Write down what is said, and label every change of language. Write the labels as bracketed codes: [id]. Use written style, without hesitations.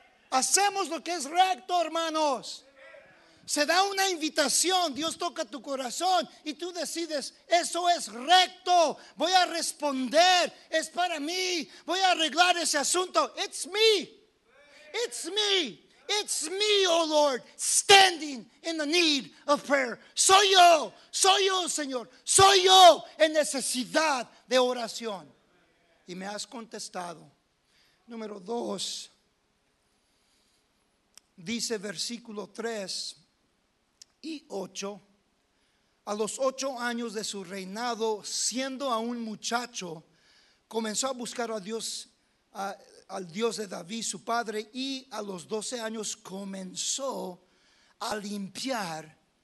[es] Hacemos lo que es recto, hermanos. Se da una invitación, Dios toca tu corazón y tú decides, eso es recto, voy a responder, es para mí, voy a arreglar ese asunto. [en] It's me, it's me, it's me, oh Lord, standing in the need of prayer. [es] Soy yo, Señor, soy yo en necesidad de oración. Y me has contestado. Número dos, dice versículo 3 y 8, a los 8 años de su reinado, siendo aún muchacho, comenzó a buscar a Dios, al Dios de David, su padre, y a los 12 años comenzó a limpiar